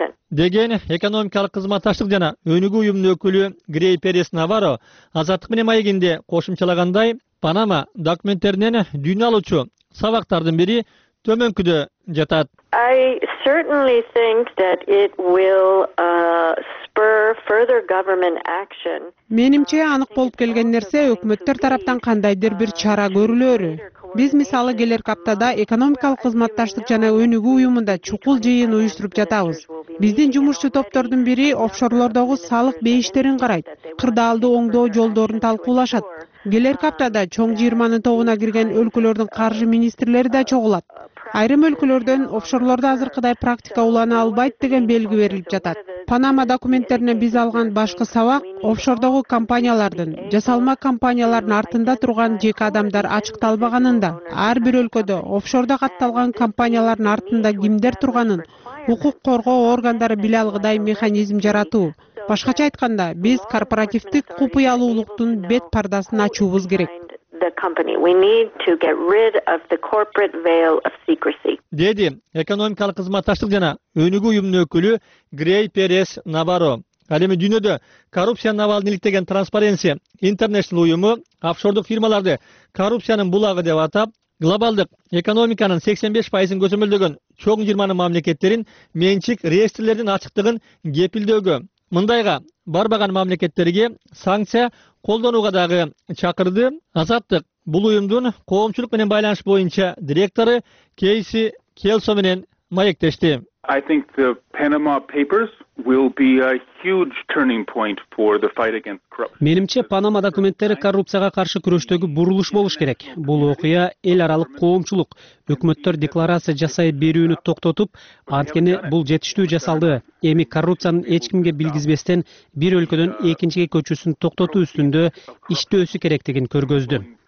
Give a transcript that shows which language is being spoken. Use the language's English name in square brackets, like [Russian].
[Kyrgyz] Деген экономикалык кызматташтык жана өнүгүү уюмунун өкүлү Грей Перес Наваро азаттык менен маегинде кошумчалагандай, Панама документтеринен дүйнө алуучу сабактардын бири төмөнкүдө жатат. [English] I certainly think that it will spur further government action. [Kyrgyz] Менимче анык болуп келген нерсе өкмөттөр тараптан кандайдыр бир чара көрүлөрү. Биз мисалы келерки аптада экономикалык кызматташтык жана өнүгүү уюмунда чукул жыйын уюштуруп жатабыз. Биздин жумушчу топтордун бири офшорлордогу салык бейиштерин карайт, кырдаалды оңдоо жолдорун талкуулашат. Келерки аптада чоң 20 тобуна кирген өлкөлөрдүн каржы министрлери да чогулат. Айрым өлкөлөрдөн офшорлордо азыркыдай практика улана албайт деген белги берилип жатат. Панама документтерине биз алган башкы сабак офшордогу компаниялардын, жасалма компаниялардын артында турган жеке адамдар ачыкталбаганын да, ар бир өлкөдө офшордо катталган компаниялардын артында кимдер турганын укук коргоо органдары биле алгыдай механизм жаратуу. Башкача айтканда, биз корпоративдик купуялуулуктун бет пардасын ачуубуз керек. [English] The company. We need to get rid of the corporate veil of secrecy. [Kyrgyz] Деди экономикалык кызматташтык жана өнүгүү уюмунун өкүлү Грей Перес Наваро. Ал эми дүйнөдө коррупциянын абалын иликтеген Transparency International уюму офшордук фирмаларды коррупциянын булагы деп атап, глобалдык экономиканын 85% көзөмөлдөгөн чоң 20 мамлекеттерин менчик реестрлердин ачыктыгын кепилдөөгө Мындайга барбаган мамлекеттерге санкция колдонууга дагы чакырды. Азаттык бул уюмдун коомчулук менен байланыш боюнча директору Кейси Келсо менен маектешти. [English] I think the Panama Papers will be a huge turning point for the fight against corruption. [Kyrgyz] Менимче Панама документтери коррупцияга каршы күрөштөгү бурулуш болуш керек. Бул окуя эл аралык коомчулук, өкмөттөр декларация жасай берүүнү токтотуп, анткени бул жетиштүү жасалды. Эми коррупциянын эч кимге билгизбестен бир өлкөдөн экинчиге көчүүсүн токтотуу үстүндө иштөөсү керектигин көргөздү.